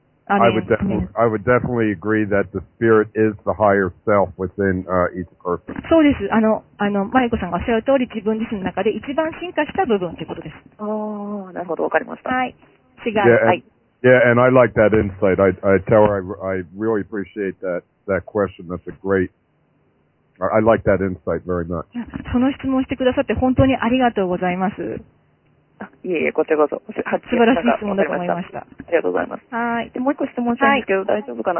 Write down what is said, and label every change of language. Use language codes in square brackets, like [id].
[en] I would definitely agree that the spirit is the higher self within, each person. [ja] そうです。マリコさんがおっしゃる通り、自分自身の中で一番進化した部分ってことです。ああ、なるほど、わかりました。はい。違う。 [en] Yeah, [ja] はい。 [en] Yeah, and I like that insight. I tell her I really appreciate that question. That's a great. I like that insight very much. [ja] その質問してくださって本当にありがとうございます。いえいえ、こちらこそ。素晴らしい質問だと思いました。ありがとうございます。はい。で、もう一個質問したいんですけど、大丈夫かな？